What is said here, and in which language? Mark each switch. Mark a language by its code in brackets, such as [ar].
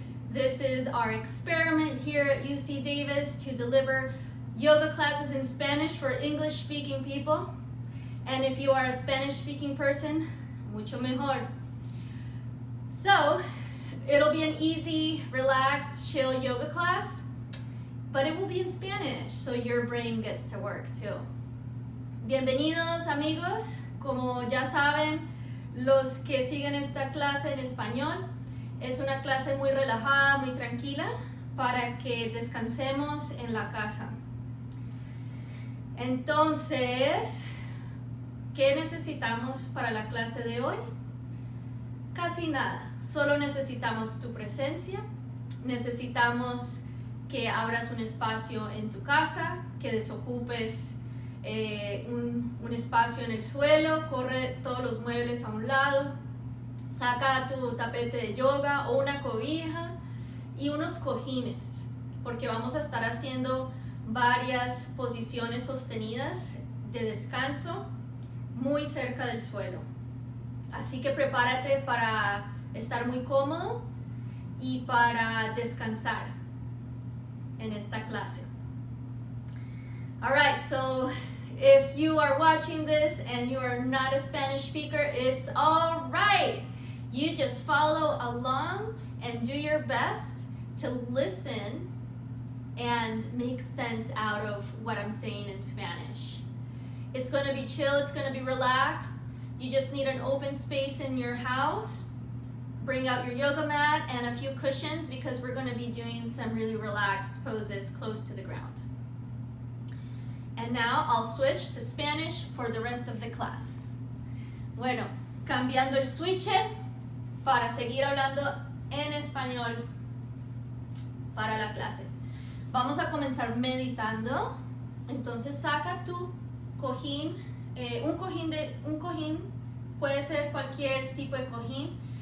[en] This is our experiment here at UC Davis to deliver yoga classes in Spanish for English-speaking people. And if you are a Spanish-speaking person, [es] mucho mejor. [en] So, it'll be an easy, relaxed, chill yoga class. But it will be in Spanish, so your brain gets to work too. [es] Bienvenidos, amigos. Como ya saben, los que siguen esta clase en español, es una clase muy relajada, muy tranquila, para que descansemos en la casa. Entonces, ¿qué necesitamos para la clase de hoy? Casi nada. Solo necesitamos tu presencia. Necesitamos que abras un espacio en tu casa, que desocupes un espacio en el suelo, corre todos los muebles a un lado, saca tu tapete de yoga o una cobija y unos cojines, porque vamos a estar haciendo varias posiciones sostenidas de descanso muy cerca del suelo. Así que prepárate para estar muy cómodo y para descansar en esta clase. [en] All right, so if you are watching this and you are not a Spanish speaker, it's all right. You just follow along and do your best to listen and make sense out of what I'm saying in Spanish. It's going to be chill, it's going to be relaxed. You just need an open space in your house. Bring out your yoga mat and a few cushions because we're going to be doing some really relaxed poses close to the ground. And now I'll switch to Spanish for the rest of the class. [es] Bueno, cambiando el switch para seguir hablando en español para la clase. Vamos a comenzar meditando. Entonces saca tu cojín, un cojín puede ser cualquier tipo de cojín.